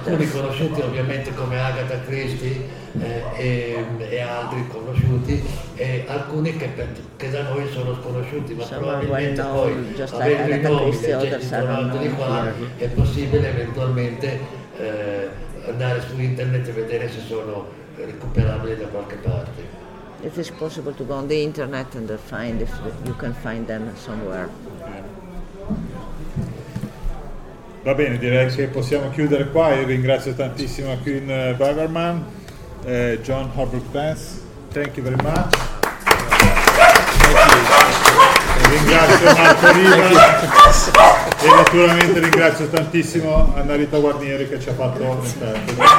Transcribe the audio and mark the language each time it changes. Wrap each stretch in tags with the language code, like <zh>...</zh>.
<it>Alcuni conosciuti ovviamente come Agatha Christie e altri conosciuti, e alcuni che da noi sono sconosciuti, ma probabilmente poi avendo i nomi leggendo di qua è possibile eventualmente andare su internet e vedere se sono recuperabili da qualche parte.</it> <en>It is possible to go on the internet and find if you can find them somewhere.</en> <it>Va bene, direi che possiamo chiudere qua. Io ringrazio tantissimo Quinn Bagerman, John Hubbard Vance.</it> <en>Thank you very much.</en> <it>Ringrazio Marco Riva e naturalmente ringrazio tantissimo Anna Rita Guarnieri che ci ha fatto l'esperto.</it>